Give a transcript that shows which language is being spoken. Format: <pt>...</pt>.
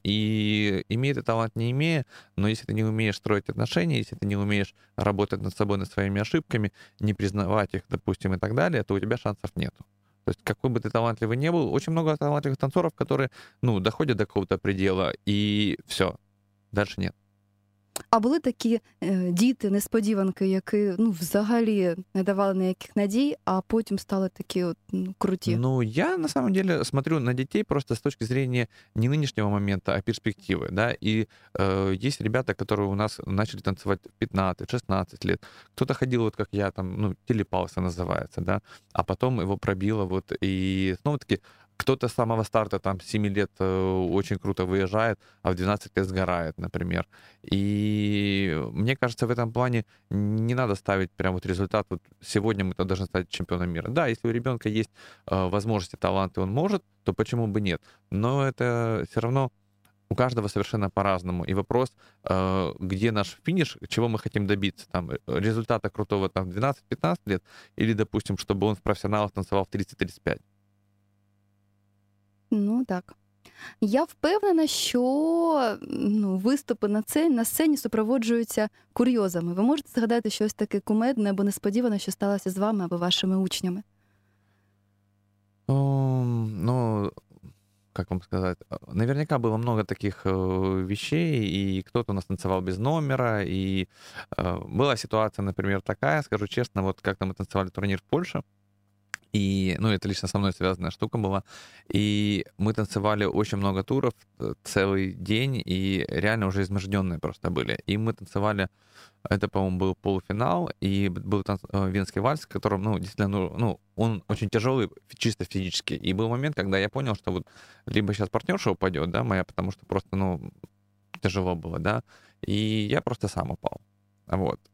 <ru>И имея ты талант, не имея, но если ты не умеешь строить отношения, если ты не умеешь работать над собой, над своими ошибками, не признавать их, допустим, и так далее, то у тебя шансов нету. То есть какой бы ты талантливый ни был, очень много талантливых танцоров, которые, ну, доходят до какого-то предела, и все, дальше нет.</ru> <uk>А були такі діти, несподіванки, які, ну, взагалі не давали ніяких надій, а потім стали такі от, ну, круті? Ну, я</uk> <ru>на самом деле смотрю</ru> <uk>на дітей просто з точки зрения не нинішнього моменту, а перспективи, да, і є ребята, які у нас начали танцювати в 15-16 лет. Хтось ходив, от як я, там, ну, телепался називається, да, а потім його пробило, вот, і знову-таки,</uk> <ru>кто-то с самого старта, там, 7 лет очень круто выезжает, а в 12 лет сгорает,</ru> <uk>например.</uk> <ru>И мне кажется, в этом плане не надо ставить прям вот результат, вот сегодня мы должны стать чемпионом мира. Да, если у ребенка есть возможности, таланты, он может, то почему бы нет? Но это все равно у каждого совершенно по-разному. И вопрос, где наш финиш, чего мы хотим добиться, там, результата крутого, там, 12-15 лет, или, допустим, чтобы он в профессионалах танцевал в 30-35. Ну, так.</ru> <uk>Я впевнена, що, ну, виступи на сцені супроводжуються курйозами. Ви можете згадати щось таке кумедне або несподіване, що сталося з вами або вашими учнями? Ну, як вам сказати? Наверняка було багато таких вещей, і хтось у нас танцював без номера, і була ситуація, наприклад, така, скажу чесно, от як ми танцювали турнір в Польщі,</uk> <ru>и, ну, это лично со мной связанная штука была, и мы танцевали очень много туров, целый день, и реально уже изможденные просто были, и мы танцевали, это, по-моему, был полуфинал, и был венский вальс, которым, ну, действительно, ну, он очень тяжелый, чисто физически, и был момент, когда я понял, что вот либо сейчас партнерша упадет, да, моя, потому что просто, ну, тяжело было, да, и я просто сам упал. Вот.</ru>